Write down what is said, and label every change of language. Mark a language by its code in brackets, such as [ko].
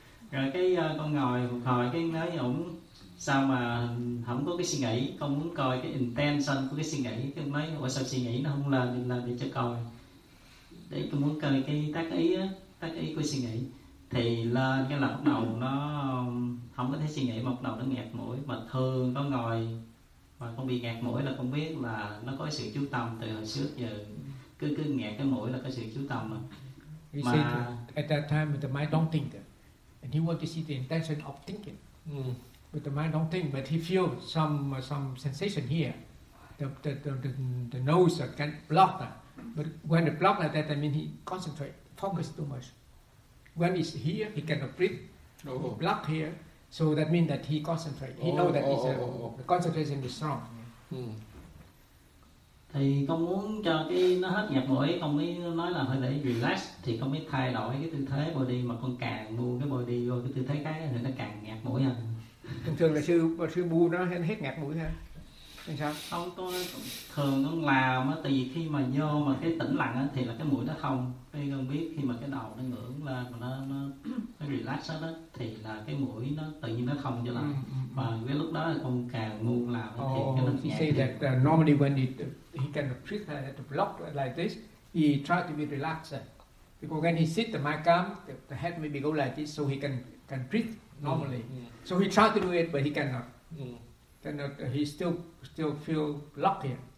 [vi] Rồi cái con ngồi một hồi cái nói ổng sao mà không có cái suy nghĩ, con muốn coi cái intention của cái suy nghĩ, cái mấy sao suy nghĩ nó không lên, làm để cho coi. Để con muốn coi cái tác ý á, tắt cái ý của suy nghĩ. Thì lên cái là bắt đầu nó không có thấy suy nghĩ mà bắt đầu nó nghẹt mũi. Mà thường con ngồi mà con bị nghẹt mũi là con biết là nó có sự chú tâm từ hồi trước giờ. Cứ nghẹt cái mũi là có sự chú tâm. [en] Mà at that time the mind don't think. And he wants to see the intention of thinking. But the mind don't think, but he feels some sensation here. The nose can block that. But when it blocks like that, that means he concentrates, focuses too much. When he's here, he cannot breathe. Oh. He block here, so that means that he concentrates. He knows that the concentration is strong. [vi] Thì con muốn cho cái nó hết nhập mũi, con mới nói là hơi để relax. Thì con mới thay đổi cái tư thế body, mà con càng buông cái body vô cái tư thế khác thì nó càng nhạt mũi hơn. Thường thường là sư buông nó hết nhạt mũi ha. Không, tôi thường con làm á, tại vì khi mà vô mà cái tĩnh lặng á thì là cái mũi nó không, cái con biết khi mà cái đầu nó ngưỡng lên mà nó relax hết á thì là cái mũi nó tự nhiên nó không cho lại. Và cái lúc đó là con càng ngu làm thì cái nó nhẹ. [en] Say that normally when he can treat the block like this, he try to be relaxed. Because when he sit the mind calm, the head maybe go like this, so he can treat normally. So he try to do it, but he cannot. He still feel blocked here.